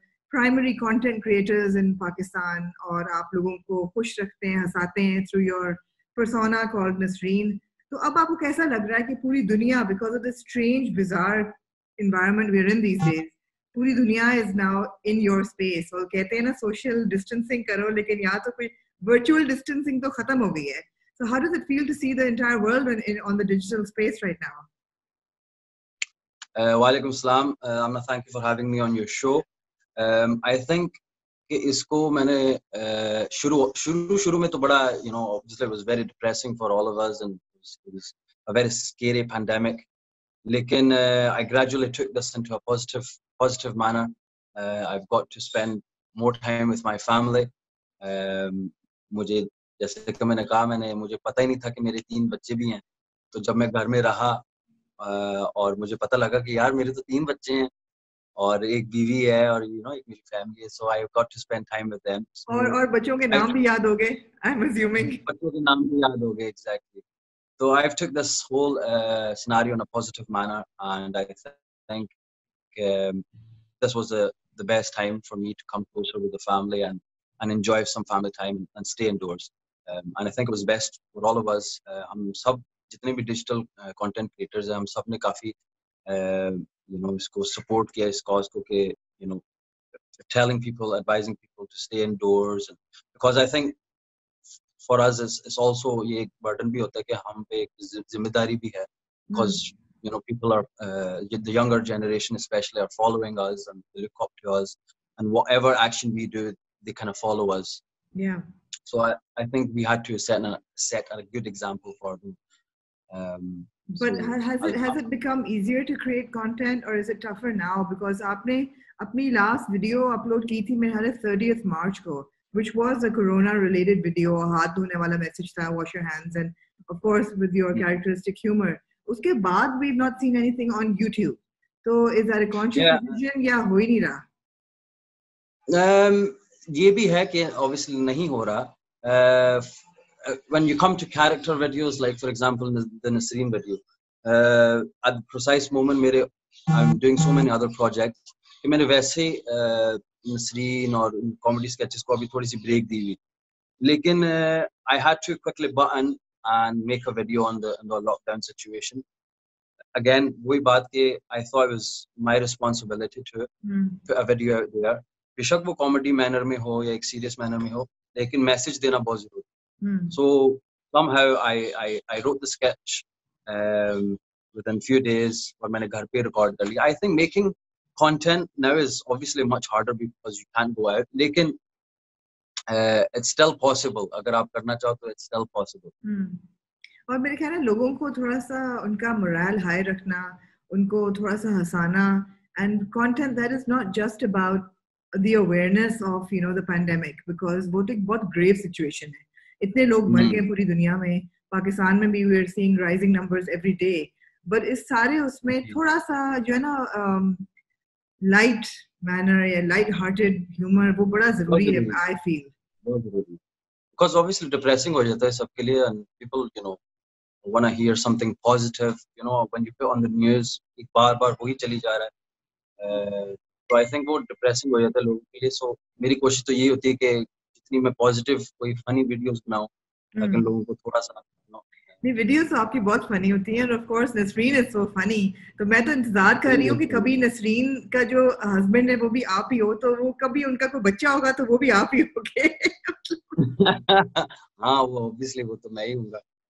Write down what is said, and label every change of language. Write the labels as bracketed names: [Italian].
[English] primary content creators in Pakistan, [Hindi] और आप लोगों को खुश रखते हैं, हंसाते हैं [English] through your persona called Nasreen. [Hindi] तो अब आपको कैसा लग रहा है कि पूरी दुनिया, [English] because of this strange, bizarre environment we're in these days, [Hindi] पूरी दुनिया [English] is now in your space. [Hindi] और कहते हैं ना social distancing करो, लेकिन यहाँ तो कोई [English] virtual distancing [Hindi] तो खत्म हो गई है. [English] So how does it feel to see the entire world in on the digital space right now? [Arabic] Wa alaikum salam. [English] Amna, thank you for having me on your show. I think [Hindi] कि इसको मैंने शुरू में तो बड़ा, [English] you know, obviously it was very depressing for all of us and it was a very scary pandemic. Lekin I gradually took this into a positive manner. I've got to spend more time with my family. [Hindi] मुझे जैसे कि मैंने कहा, मैंने मुझे पता ही नहीं था कि मेरे तीन बच्चे भी हैं. तो जब मैं घर में रहा और मुझे पता लगा कि यार मेरे तो तीन बच्चे हैं और एक बीवी है और यू नो एक मेरी फैमिली है, [English] So I got to spend time with them. [Hindi] और बच्चों के नाम भी याद हो गए, [English] I am assuming [Hindi] बच्चों के नाम भी याद हो गए. [English] Exactly. So I have took this whole scenario in a positive manner and I think this was the best time for me to come closer with the family and enjoy some family time and stay indoors. And I think it was best for all of us. [Hindi] हम सब जितने भी digital content creators हैं, हम सब ने काफी, you know, इसको support किया इस cause को के, you know, [English] telling people, advising people to stay indoors. Because I think for us it's also [Hindi] ये एक burden भी होता है कि हम पे एक जिम्मेदारी भी है. [English] Because you know people are the younger generation especially are following us and they look up to us and whatever action we do they kind of follow us. Yeah. So I think we had to set a good example for them. But so has it become easier to create content or is it tougher now? Because [Hindi] आपने अपनी [English] last video upload [Hindi] की थी मेरे [English] 30th March को, which was a corona related video, [Hindi] हाथ धोने वाला message था, [English] wash your hands, and of course with your characteristic humor. [Hindi] उसके बाद [English] we've not seen anything on YouTube. So is that a conscious decision? [Hindi] Yeah, हो ही नहीं रहा. ये भी है कि obviously नहीं हो रहा. [English] When you come to character videos, like for example the Nasreen video, at the precise moment mere I'm doing so many other projects [Hindi] कि मैंने वैसे Nasreen और comedy sketches को अभी थोड़ी सी break दी हुई, [English] लेकिन I had to quickly button and make a video on the lockdown situation. Again [Hindi] वही बात कि [English] I thought it was my responsibility to put a video out there. [Hindi] बेशक वो कॉमेडी मैनर में हो या एक सीरियस मैनर में हो, लेकिन मैसेज देना बहुत जरूरी है. [English] so somehow I wrote the sketch with in few days [Hindi] और मैंने घर पे रिकॉर्ड कर लिया. [English] I think making content now is obviously much harder because you can go out, लेकिन it's still possible. [Hindi] अगर आप करना चाहो तो [English] It's still possible. [Hindi] और मेरे ख्याल है लोगों को थोड़ा सा उनका मोरल हाई रखना, उनको थोड़ा सा हंसाना, [English] and content that is not just about the awareness of you know the pandemic, [Hindi] because वो तो एक बहुत grave situation है. इतने लोग मर गए पूरी दुनिया में, पाकिस्तान में भी [English] we are seeing rising numbers every day. [Hindi] But इस सारे उसमें थोड़ा सा जो है ना light manner या light hearted humor वो बड़ा जरूरी है. [English] I feel because obviously depressing [Hindi] हो जाता है सबके लिए [English] and people you know wanna hear something positive. You know when you put on the news [Hindi] एक बार बार वही चली जा रहा है. [English] So I think [Hindi] वो depressing हो जाता है लोगों के लिए. So मेरी कोशिश तो यही होती है कि जितनी मैं positive कोई funny videos बनाऊं ताकि लोगों को थोड़ा सा नहीं videos तो आपकी बहुत funny होती हैं [English] and of course Nasreen is so funny. [Hindi] तो मैं तो इंतजार कर रही हूँ कि कभी Nasreen का जो husband है वो भी आप ही हो, तो वो कभी उनका कोई बच्चा होगा तो वो भी आप ही होंगे. हाँ वो obviously वो तो मैं ही हूँगा.